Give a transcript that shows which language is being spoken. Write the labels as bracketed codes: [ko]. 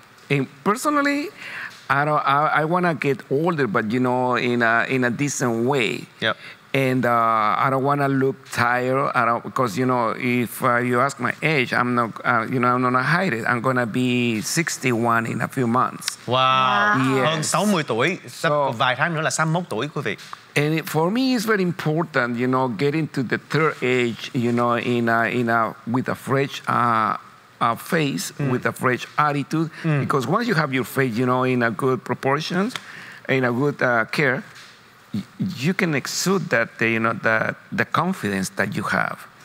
[en] And personally, I want to get older, but you know, in a decent way. Yep. And I don't want to look tired. I don't, because you know, if you ask my age, I'm not you know, I'm not gonna hide it. I'm gonna be 61 in a few months. Wow. Yes. [vi] Hơn 60 tuổi, so, vài tháng nữa là 61 tuổi, quý vị. [en] And it, for me, it's very important, you know, getting to the third age, you know, with a fresh face, mm. with a fresh attitude, mm. because once you have your face, you know, in a good proportions, in a good care, you can exude that, you know, the confidence that you have.